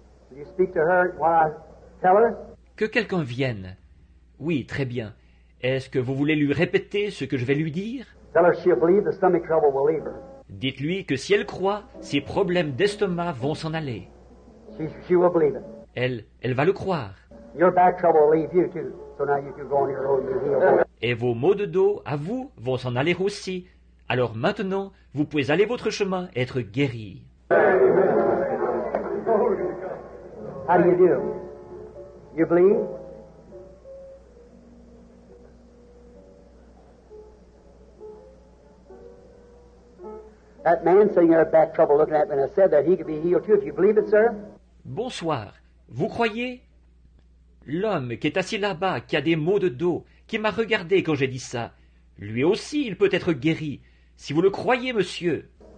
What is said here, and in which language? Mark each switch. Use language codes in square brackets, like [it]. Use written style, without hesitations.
[en] Will you speak to her while I tell her? [fr] Que quelqu'un vienne. Oui, très bien. Est-ce que vous voulez lui répéter ce que je vais lui dire? [en] Tell her she'll believe the stomach trouble will leave her. [fr] Dites-lui que si elle croit, ses problèmes d'estomac vont s'en aller. [en] She will believe it. [fr] Elle va le croire. [en] Your back trouble will leave you too. So now you can go on your own and heal. [fr] Et vos maux de dos, à vous, vont s'en aller aussi. Alors maintenant, vous pouvez aller votre chemin et être guéri. [en] How do you do? You believe? That man sitting there with back trouble looking at me and I said that he could be healed too if you believe it, sir. [fr] Bonsoir. Vous croyez? L'homme qui est assis là-bas, qui a des maux de dos, qui m'a regardé quand j'ai dit ça, lui aussi, il peut être guéri. Si vous le croyez, monsieur.